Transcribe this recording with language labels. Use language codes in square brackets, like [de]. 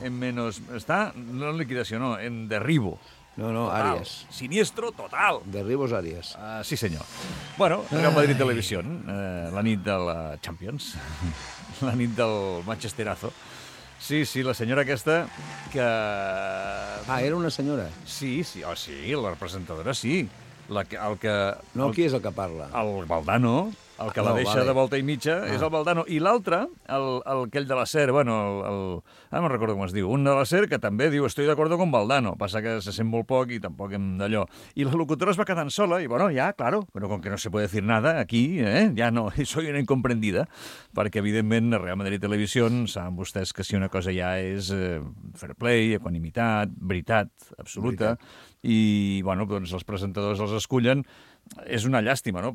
[ca] En menos... Està... No en liquidació, no, en derribo. No, no, total. Aries. Siniestro total. Derribos Aries. Sí, senyor. Bueno, Real Madrid Televisió, la nit de la Champions, la nit del Manchesterazo. Sí, sí, la senyora aquesta que... Ah, era una senyora? Sí, sí, oh, sí, la representadora, sí. La que, el que... No, qui és el que parla? El Valdano, el que la deixa vale. De volta i mitja, és el Valdano. I l'altre, aquell de la SER, bueno, ara no recordo com es diu, un de la SER que també diu estoy d'acord con Valdano, passa que se sent molt poc i tampoc hem d'allò. I la locutora es va quedant sola i, bueno, ja, claro, però com que [es] no se puede decir nada aquí, [ca] ja no, [es] soy una incomprendida, [ca] perquè, evidentment, a Real Madrid Televisió saben vostès que si una cosa ja és fair play, equanimitat, veritat absoluta, veritat. I, bueno, doncs els presentadors els escullen. És una llàstima, no?